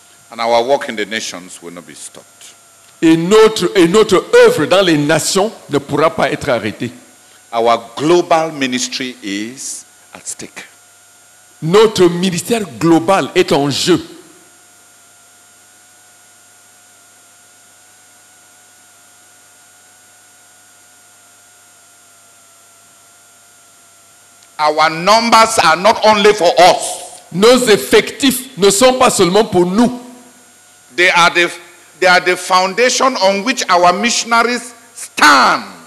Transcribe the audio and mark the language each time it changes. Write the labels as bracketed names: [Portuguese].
[English] And our work in the nations will not be stopped. [French] Et notre œuvre dans les nations ne pourra pas être arrêtée. [English] Our global ministry is at stake. [French] Notre ministère global est en jeu. [English] Our numbers are not only for us. [French] Nos effectifs ne sont pas seulement pour nous. [English] They are the foundation on which our missionaries stand.